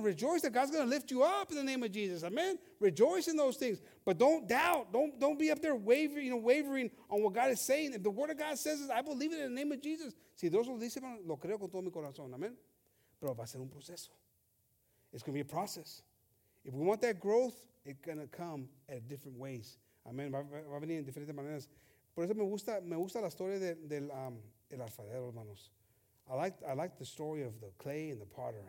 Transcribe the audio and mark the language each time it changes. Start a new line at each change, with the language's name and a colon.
English: Rejoice that God's going to lift you up in the name of Jesus. Amen. Rejoice in those things. But don't doubt. Don't be up there wavering on what God is saying. If the word of God says it, I believe it in the name of Jesus.
Spanish: Si Dios lo dice, hermano, lo creo con todo mi corazón. Amén. Pero va a ser un proceso.
English: It's going to be a process. If we want that growth, it's going to come at different ways.
Spanish: Amen. Va a venir en diferentes maneras. Por eso me gusta la historia del alfarero, hermanos.
English: I like the story of the clay and the potter.